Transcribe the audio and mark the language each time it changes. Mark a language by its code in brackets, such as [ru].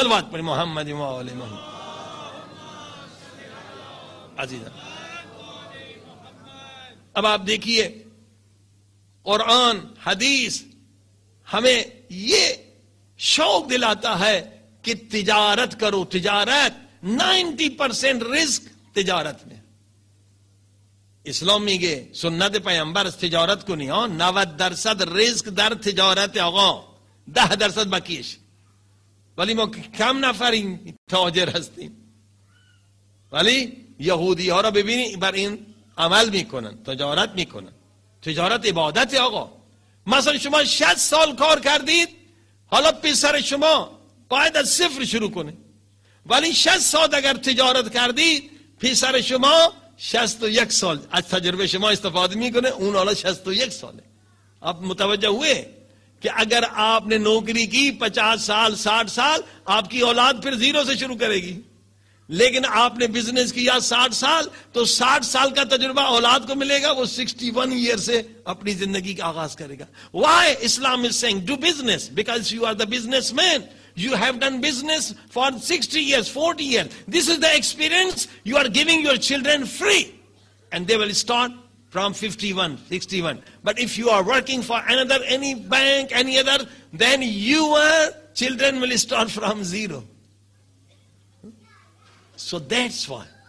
[ur] صلوات پر محمد و آل محمد. عزیزان، اب آپ دیکھیے قرآن حدیث ہمیں یہ شوق دلاتا ہے کہ تجارت کرو. تجارت 90% رزق تجارت میں، [fa] اسلام میگه سنت پیغمبر است تجارت کنی. 90% رزق در تجارت، آقا 10% بقیش. ولی ما کم نفریم تاجر هستیم، ولی یهودی ها را ببینی بر این عمل میکنن، تجارت میکنن. تجارت عبادت آقا. مثلا شما 60 سال کار کردید، حالا پسر شما باید از صفر شروع کنه، ولی 60 سال اگر تجارت کردید، پسر شما 61 سال از تجربه شما استفاده میکنه، اون حالا 61 ساله. [ur] آپ متوجه ہوئے کہ اگر آپ نے نوکری کی 50 سال 60 سال، آپ کی اولاد پھر زیرو سے شروع کرے گی. لیکن آپ نے بزنس کیا 60 سال، تو 60 سال کا تجربہ اولاد کو ملے گا، وہ 61 ایئر سے اپنی زندگی کا آغاز کرے گا. [en] Why Islam is saying do business because you are the businessman. You have done business for 60 years, 40 years. This is the experience you are giving your children free. And they will start from 51, 61. But if you are working for another, any bank, any other, then your children will start from zero. So that's why